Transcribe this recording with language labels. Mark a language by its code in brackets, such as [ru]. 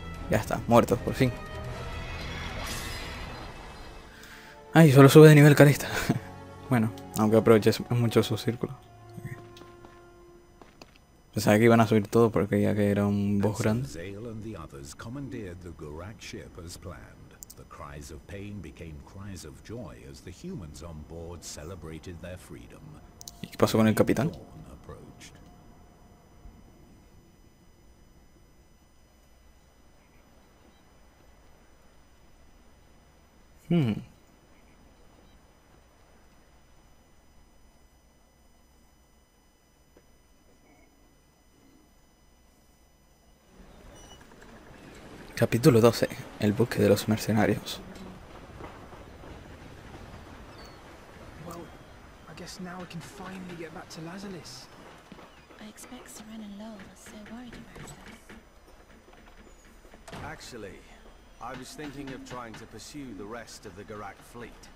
[es] Ya está, muerto, por fin. Ay, solo sube de nivel Calista. Bueno, aunque aproveche mucho su círculo. Pensaba que iban a subir todo porque ya que era un boss grande. [en] Zale and the others commandeered the Gurak ship as planned. The cries of pain became cries of joy as the humans on board celebrated their freedom. [es] ¿Y qué pasó con el capitán? Capítulo 12. El buque de los mercenarios. [en] Well, I guess now we can finally get back to Lazarus. I expect Seren and Lowell are so worried about us. Actually, I was thinking of trying to pursue the rest of the Garak fleet.